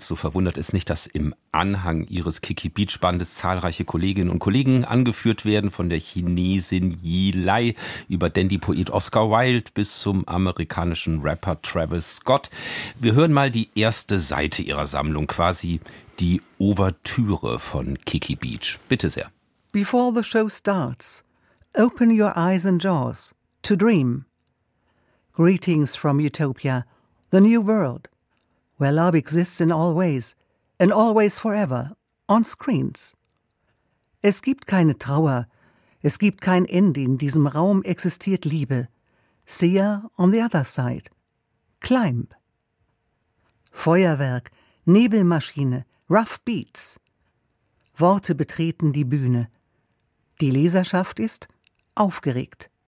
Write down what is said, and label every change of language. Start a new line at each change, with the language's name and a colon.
German: So verwundert es nicht, dass im Anhang ihres Kiki Beach Bandes zahlreiche Kolleginnen und Kollegen angeführt werden, von der Chinesin Yi Lai über Dandy-Poet Oscar Wilde bis zum amerikanischen Rapper Travis Scott. Wir hören mal die erste Seite ihrer Sammlung, quasi die Ouvertüre von Kiki Beach. Bitte sehr.
English: Before the show starts, open your eyes and jaws to dream. Greetings from Utopia, the new world, where love exists in all ways and always forever on screens.
German: Es gibt keine Trauer, es gibt kein Ende, in diesem Raum existiert Liebe.
English: Seher on the other side. Climb.
German: Feuerwerk, Nebelmaschine,
English: rough beats.
German: Worte betreten die Bühne. Die Leserschaft ist aufgeregt.